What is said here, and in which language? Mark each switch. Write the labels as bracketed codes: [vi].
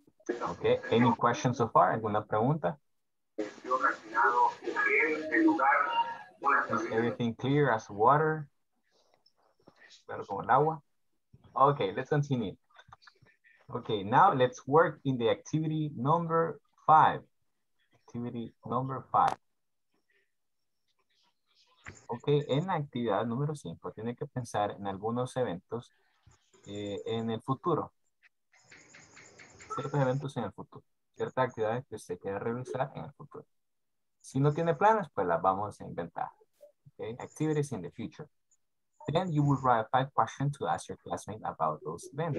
[en] Okay, any questions so far? [es] ¿Alguna pregunta? [en] Is everything clear as water? Okay, let's continue. Okay, now let's work in the activity number five. Activity number five. [es] Okay, en la actividad número 5, tiene que pensar en algunos eventos en el futuro. Ciertos eventos en el futuro. Ciertas actividades que usted quiera realizar en el futuro. Si no tiene planes, pues las vamos a inventar. [en] Okay, activities in the future. Then you will write 5 questions to ask your classmate about those events.